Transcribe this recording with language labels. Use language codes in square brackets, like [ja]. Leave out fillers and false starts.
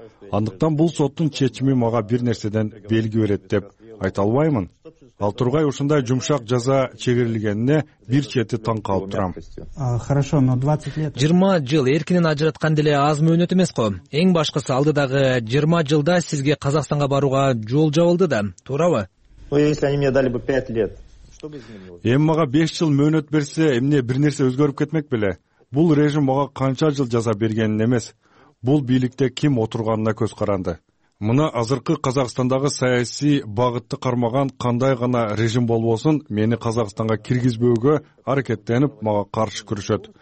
[ky] Андыктан бул соттун чечими мага бир нерседен белги берет деп айта албаймын. Ал тургай ушундай жумшак жаза чегерилгенине бир чети таң калып турам. [ru] Хорошо, но 20 лет. [ky] 20 жыл эркинен ажыраткан деле аз мөөнөт эмес го. Эң башкысы алдыдагы 20 жылда сизге Казакстанга барууга жол жабылды да, туурабы? [ru] Если они мне дали бы 5 лет, что бы изменилось? [ky] Эми мага 5 жыл мөөнөт берсе, эмне бир нерсе өзгөрүп кетмек беле? Бул режим мага канча жыл жаза бергенин эмес, бул бийликте ким отурганына көз каранды. Мына азыркы Казакстандагы саясий багытты кармаган кандай гана режим болбосун, мени Казакстанга киргизбөөгө аракеттенип, мага каршы күрөшөт.